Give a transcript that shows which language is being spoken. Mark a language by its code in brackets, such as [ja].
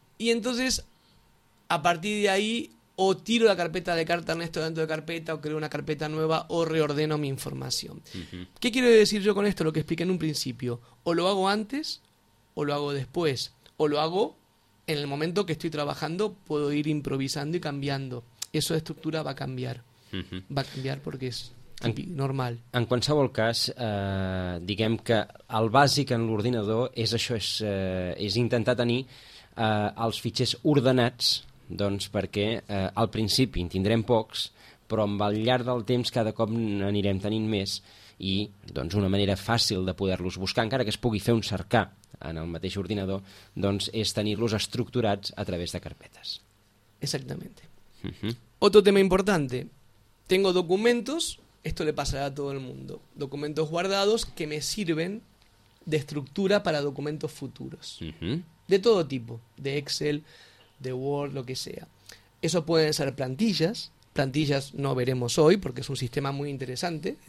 [es] Y entonces, a partir de ahí, o tiro la carpeta de carta Ernesto dentro de carpeta, o creo una carpeta nueva, o reordeno mi información. Uh-huh. ¿Qué quiero decir yo con esto? Lo que expliqué en un principio. O lo hago antes, o lo hago después. O lo hago en el momento que estoy trabajando, puedo ir improvisando y cambiando. Eso de estructura va a cambiar. Uh-huh. Va a cambiar porque es normal. [ca] En qualsevol cas, diguem que el bàsic en l'ordinador és això, és intentar tenir els fitxers ordenats, doncs perquè al principi en tindrem pocs, però amb el llarg del temps cada cop anirem tenint més, i doncs una manera fàcil de poder-los buscar, encara que es pugui fer un cercar en el mateix ordinador, doncs és tenir-los estructurats a través de carpetes. [es] Exactamente. Uh-huh. Otro tema importante. Tengo documentos. Esto le pasará a todo el mundo. Documentos guardados que me sirven de estructura para documentos futuros. Uh-huh. De todo tipo. De Excel, de Word, lo que sea. Eso pueden ser plantillas. Plantillas no veremos hoy porque es un sistema muy interesante.